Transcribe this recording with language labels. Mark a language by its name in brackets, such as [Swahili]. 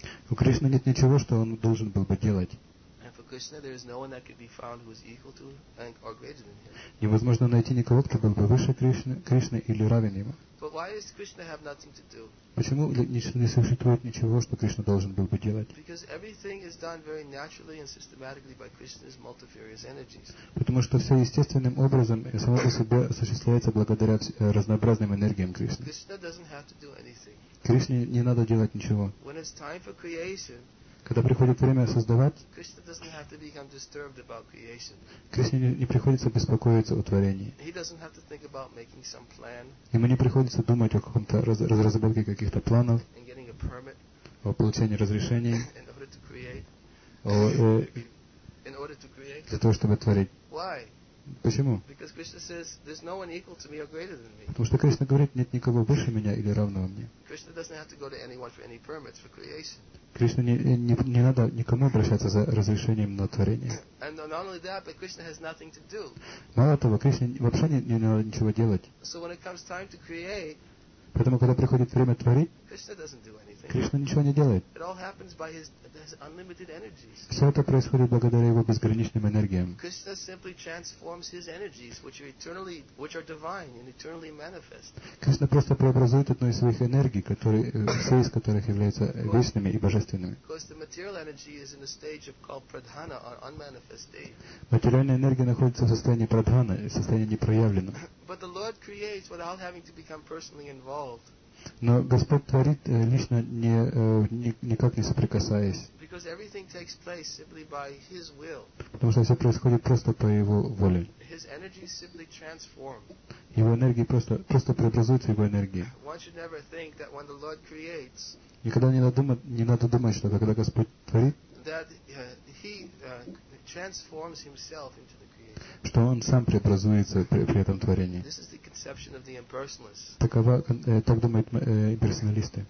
[Russian] У Кришны нет ничего, что он должен был бы делать. [English] And for Krishna, there is no one that could be found who is equal to or greater than him. [Russian] Невозможно найти никого, кто был бы выше Кришны или равен ему. [English] But why does Krishna have nothing to do? [Russian] Почему не существует ничего, что Кришна должен был бы делать? [English] Because everything is done very naturally and systematically by Krishna's multifarious energies. [Russian] Потому что все естественным образом само по себе осуществляется благодаря разнообразным энергиям Кришны. [English] Krishna doesn't have to do anything. [Russian] Кришне не надо делать ничего. [English] When it's time for creation, [Russian] когда приходит время создавать, [English] Krishna doesn't have to become disturbed about creation. [Russian] Кришне не приходится беспокоиться о творении. [English] He doesn't have to think about making some plan. [Russian] Ему не приходится думать о каком-то разработке каких-то планов, [English] and getting a permit, [Russian] о получении разрешений, [English] in order to create, in order to create, [Russian] для того, чтобы творить. [English] Why? [Russian] Почему? [English] Because Krishna says, there's no one equal to me or greater than me. [Russian] Потому что Кришна говорит, нет никого выше меня или равного мне. [English] Krishna doesn't have to go to anyone for any permits for creation. [Russian] Кришне не надо никому обращаться за разрешением на творение. [English] And not only that, but Krishna has nothing to do. [Russian] Мало того, Кришне вообще не надо ничего делать. [English] So when it comes time to create, [Russian] поэтому, когда приходит время творить, [English] Krishna doesn't do anything. [Russian] Кришна ничего не делает. [English] It all happens by his unlimited energies. [Russian] Все это происходит благодаря его безграничным энергиям. [English] Krishna simply transforms his energies, which are divine and eternally manifest. [Russian] Кришна просто преобразует одну из своих энергий, все из которых являются вечными и божественными. [English] Because the material energy is in a stage of called pradhana or unmanifest state. [Russian] Материальная энергия находится в состоянии прадхана, в состоянии непроявленном. [English] But the Lord creates without having to become personally involved. [Russian] Но Господь творит лично никак не соприкасаясь. [English] Because everything takes place simply by His will. [Russian] Потому что все происходит просто по Его воле. [English] His energy simply transforms. [Russian] Его энергии просто преобразуются Его энергией. [English] One should never think that when the Lord creates. [Russian] Никогда не надо думать, что когда Господь творит. [English] That He transforms Himself into the. [Russian] Что он сам преобразуется при этом творении. [English] This is the conception of the impersonalists. [Russian] Так думают имперсоналисты.